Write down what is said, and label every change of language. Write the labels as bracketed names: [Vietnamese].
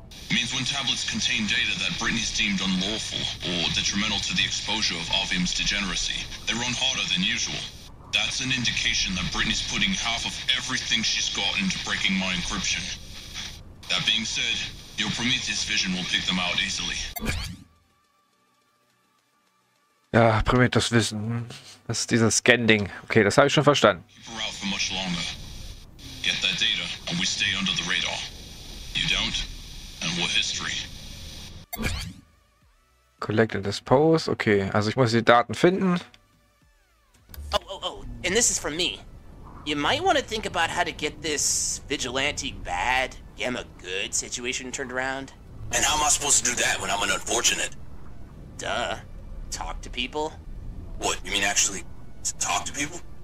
[English] Means when tablets contain data that Britney's deemed unlawful or detrimental to the exposure of Avium's degeneracy, they run harder than usual. That's an indication that Britney's putting half of everything she's got into breaking my encryption. That being said, your Prometheus vision will pick them out easily. [German] Ja, Prometheus Wissen. Das ist dieser Scan-Ding. Okay, das habe ich schon verstanden. [English] Keep her out for much longer. Get that data, and we stay under the radar. You don't? And what history? Collect and dispose. [German] Okay, also ich muss die Daten finden. [English] Oh, oh, oh, and this is from me. You might want to think about how to get this vigilante bad, gamma good situation turned around. And how am I supposed to do that when I'm an unfortunate? Duh. Talk to people. What, you mean actually talk to people?